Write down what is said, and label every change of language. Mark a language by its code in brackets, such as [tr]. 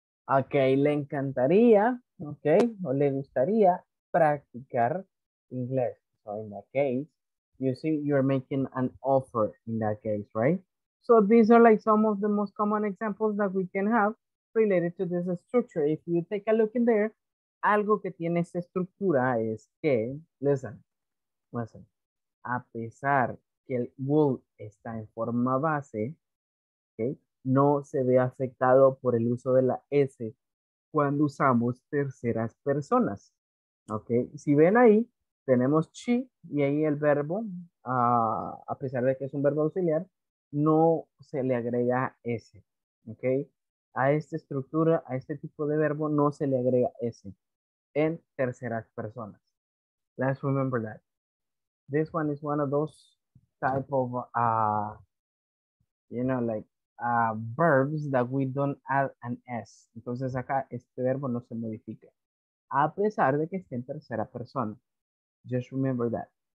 [es] Okay, le encantaría, okay, o le gustaría practicar inglés. [en] So in that case, you see, you're making an offer in that case, right? So these are like some of the most common examples that we can have related to this structure. If you take a look in there, [es] algo que tiene esta estructura es que, listen, a pesar que el will está en forma base, okay, no se ve afectado por el uso de la S cuando usamos terceras personas, ok. Si ven ahí, tenemos she y ahí el verbo, a pesar de que es un verbo auxiliar, no se le agrega S, ok. A esta estructura, a este tipo de verbo, no se le agrega S en terceras personas. [en] Let's remember that. This one is one of those type of, you know, like, verbs that we don't add an S. [es] Entonces acá este verbo no se modifica. A pesar de que esté en tercera persona. [en] Just remember that.